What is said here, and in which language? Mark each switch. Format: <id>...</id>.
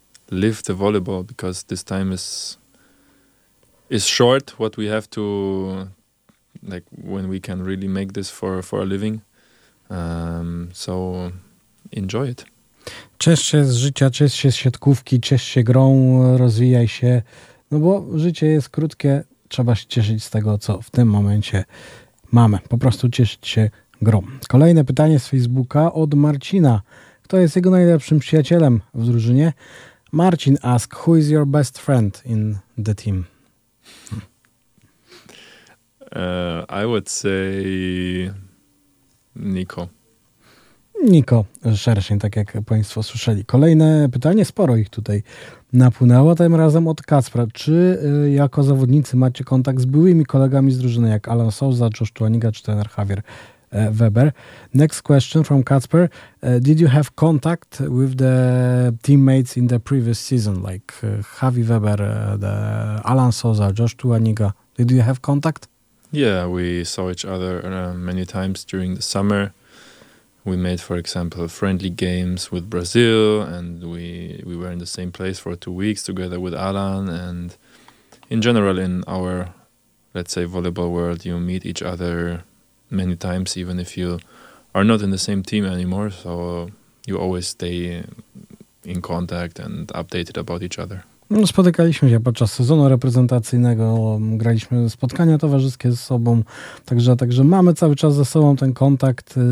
<en>Live the volleyball, because this time is short what we have to, like, when we can really make this for a living. So enjoy it.</en> <pl>Ciesz się z życia, ciesz się z siatkówki, ciesz się grą, rozwijaj się. No bo życie jest krótkie, trzeba się cieszyć z tego, co w tym momencie mamy. Po prostu cieszyć się grą. Kolejne pytanie z Facebooka od Marcina. Kto jest jego najlepszym przyjacielem w drużynie?</pl> <en>Marcin ask, who is your best friend in the team? I would say Nico.</en> <pl>Niko Szerszeń, tak jak Państwo słyszeli. Kolejne pytanie, sporo ich tutaj napłynęło, tym razem od Kacpra. Czy jako zawodnicy macie kontakt z byłymi kolegami z drużyny, jak Alan Sousa, Josh Tuaniga czy trener Javier Weber?</pl> <en>Next question from Kacper. Did you have contact with the teammates in the previous season, like Javi Weber, the Alan Sousa, Josh Tuaniga? Did you have contact? Yeah, we saw each other many times during the summer. We made, for example, friendly games with Brazil, and we were in the same place for 2 weeks together with Alan. And in general, in our, let's say, volleyball world, you meet each other many times, even if you are not in the same team anymore. So you always stay in contact and updated about each other.</en> <pl>No, spotykaliśmy się podczas sezonu reprezentacyjnego, graliśmy spotkania towarzyskie ze sobą, także mamy cały czas ze sobą ten kontakt.</pl>